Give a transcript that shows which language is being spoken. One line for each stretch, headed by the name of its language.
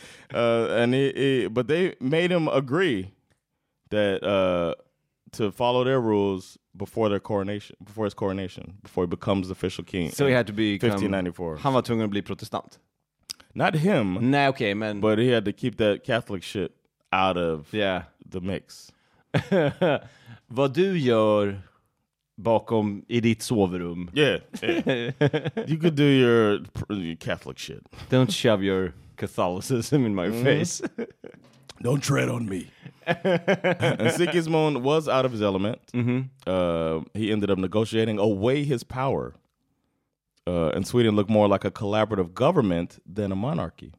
English: But they made him agree that to follow their rules. Before his coronation, before he becomes official king. So he had to be 1594.
Swedish: Han var tvungen att bli protestant.
English: Not him.
Swedish: Nej, okay, men.
English: But he had to keep that Catholic shit out of the mix.
Swedish: Vad du gör bakom i ditt sovrum.
English: Yeah. You could do your Catholic shit. Don't shove your Catholicism in my face. Don't tread on me. And Sigismund was out of his element. Mm-hmm. He ended up negotiating away his power. And Sweden looked more like a collaborative government than a monarchy.